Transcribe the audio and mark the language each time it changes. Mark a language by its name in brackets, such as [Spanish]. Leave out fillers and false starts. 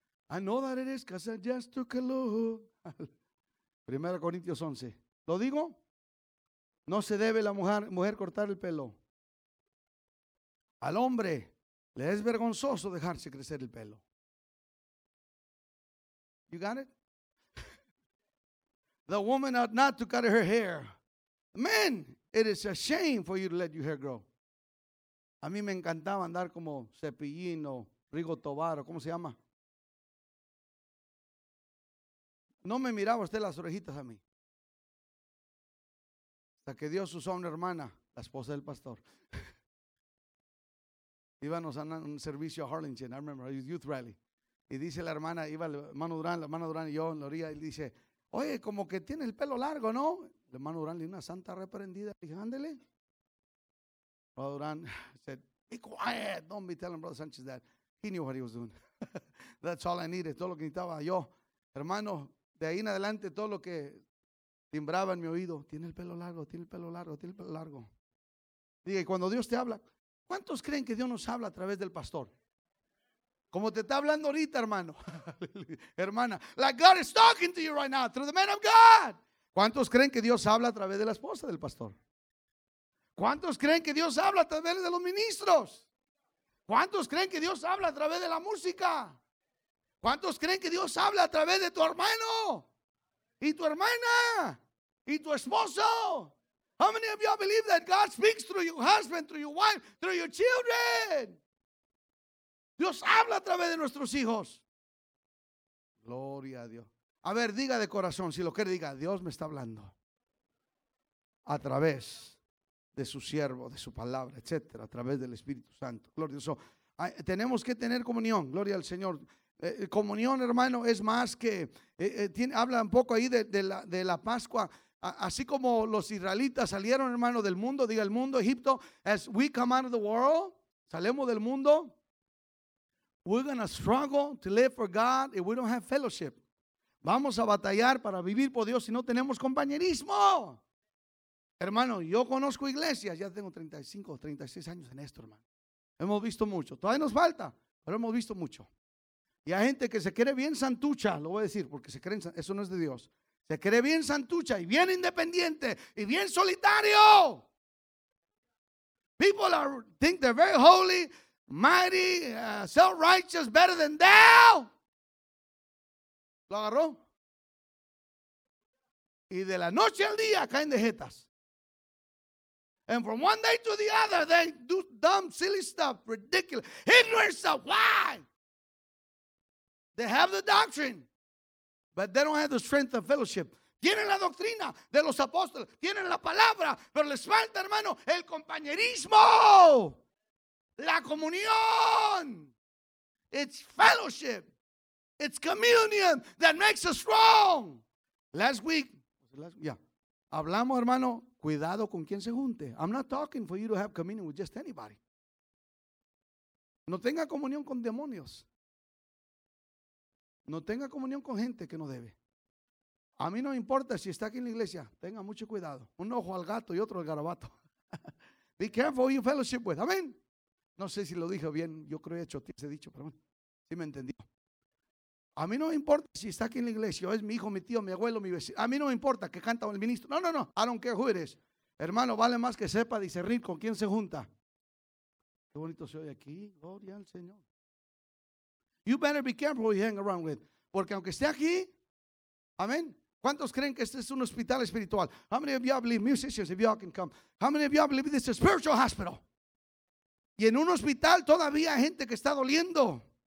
[English] I know that it is because I just took a look. 1 Corinthians 11. [Spanish] ¿Lo digo? No se debe la mujer cortar el pelo. Al hombre le es vergonzoso dejarse crecer el pelo. [English] You got it? The woman ought not to cut her hair. Man, it is a shame for you to let your hair grow. [Spanish] A mí me encantaba andar como Cepillín o Rigo Tobar o ¿cómo se llama? No me miraba usted las orejitas a mí. Hasta que Dios usó a una hermana, la esposa del pastor. Íbamos a un servicio a Harlingen, [English] I remember, a youth rally. [Spanish] Y dice la hermana, iba la hermana Durán y yo en la orilla, y dice, oye, como que tiene el pelo largo, ¿no? La hermana Durán le dio una santa reprendida. Dije, ándele. [English] Brother Duran said, be quiet. Don't be telling Brother Sanchez that. He knew what he was doing. That's all I needed. [Spanish] Todo lo que necesitaba yo. Hermano, de ahí en adelante, todo lo que timbraba en mi oído. Tiene el pelo largo, tiene el pelo largo, tiene el pelo largo. Diga, y cuando Dios te habla, ¿cuántos creen que Dios nos habla a través del pastor? Como te está hablando ahorita, hermano. Hermana. [English] Like God is talking to you right now through the man of God. [Spanish] ¿Cuántos creen que Dios habla a través de la esposa del pastor? ¿Cuántos creen que Dios habla a través de los ministros? ¿Cuántos creen que Dios habla a través de la música? ¿Cuántos creen que Dios habla a través de tu hermano? ¿Y tu hermana? ¿Y tu esposo? [English] How many of you believe that God speaks through your husband, through your wife, through your children? [Spanish] Dios habla a través de nuestros hijos. Gloria a Dios. A ver, diga de corazón, si lo quiere, diga, Dios me está hablando. A través de su siervo, de su palabra, etcétera, a través del Espíritu Santo. Gloria a Dios. Tenemos que tener comunión. Gloria al Señor. Comunión, hermano, es más que habla un poco ahí de la Pascua. Así como los israelitas salieron, hermano, del mundo, diga el mundo, Egipto. [English] As we come out of the world, [Spanish] salemos del mundo, [English] we're gonna struggle to live for God if we don't have fellowship. [Spanish] Vamos a batallar para vivir por Dios si no tenemos compañerismo. Hermano, yo conozco iglesias, ya tengo 35, 36 años en esto, hermano. Hemos visto mucho, todavía nos falta, pero hemos visto mucho. Y hay gente que se cree bien santucha, lo voy a decir, porque se creen, eso no es de Dios. Se cree bien santucha y bien independiente y bien solitario. [English] People think they're very holy, mighty, self-righteous, better than thou. [Spanish] ¿Lo agarró? Y de la noche al día caen de jetas. [English] And from one day to the other, they do dumb, silly stuff, ridiculous, ignorant stuff. Why? They have the doctrine, but they don't have the strength of fellowship. [Spanish] Tienen la doctrina de los apóstoles, tienen la palabra, pero les falta, hermano, el compañerismo, la comunión. [English] It's fellowship. It's communion that makes us strong. Last week, [Spanish] hablamos, hermano, cuidado con quien se junte. [English] I'm not talking for you to have communion with just anybody. [Spanish] No tenga comunión con demonios. No tenga comunión con gente que no debe. A mí no importa si está aquí en la iglesia. Tenga mucho cuidado. Un ojo al gato y otro al garabato. [English] Be careful who you fellowship with. [Spanish] Amén. No sé si lo dije bien. Yo creo que he hecho ese dicho. Pero bueno. ¿Sí me entendió? A mí no me importa si está aquí en la iglesia, o es mi hijo, mi tío, mi abuelo, mi vecino. A mí no me importa que canta el ministro. No, no, no. [English] I don't care who it is. [Spanish] Hermano, vale más que sepa discernir con quién se junta. Qué bonito se oye aquí. Gloria al Señor. [English] You better be careful who you hang around with. [Spanish] Porque aunque esté aquí, amén. ¿Cuántos creen que este es un hospital espiritual? [English] How many of y'all believe, musicians, if y'all can come? How many of y'all believe this is a spiritual hospital? [Spanish] Y en un hospital todavía hay gente que está doliendo.